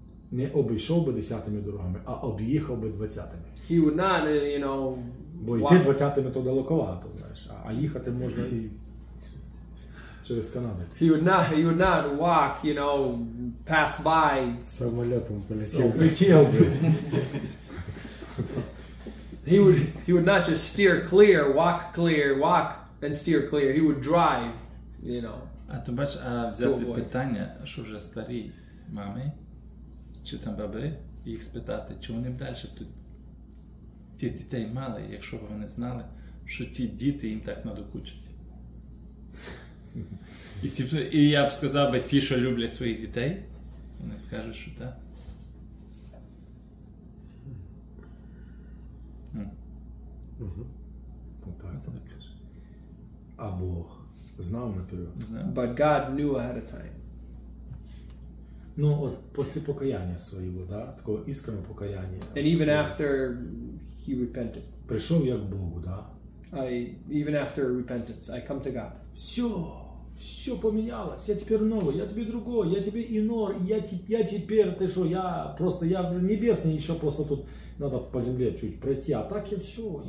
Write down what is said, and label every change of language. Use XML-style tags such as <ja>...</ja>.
<uk>Не обійшов би десятими дорогами, а об'їхав би двадцятими.</uk> <en>He would not, you know,</en> <uk>бо йти двадцятими то далековато, знаєш, а їхати можна і через Канаду.</uk> <en>He would not walk, you know, pass by.</en> <uk>Самолетом полетів. Летів би.</uk> <en>He would not just steer clear, walk and steer clear. He would drive, you know.</en> <uk>А то бач, а взяти питання, що вже старі мами, чи там баби, їх спитати, чи вони б далі тут ті дітей мали, якщо б вони знали, що ті діти їм так надокучать. І я б сказав би, ті, що люблять своїх дітей, вони скажуть, що так. Так. А Бог знав наперед.</uk> <en>But God knew ahead of time.</en> <ru>Ну, от после покаяния своего, да, такого искреннего покаяния.</ru> <en>And even after he repented.</en> <ru>Пришел я к Богу, да.</ru> <en>Even after repentance, I come to God.</en> <ru>Все поменялось, я теперь новый, я тебе другой, я тебе инор, я теперь, ты что, я небесный, еще просто тут надо по земле чуть пройти, а так я все.</ru>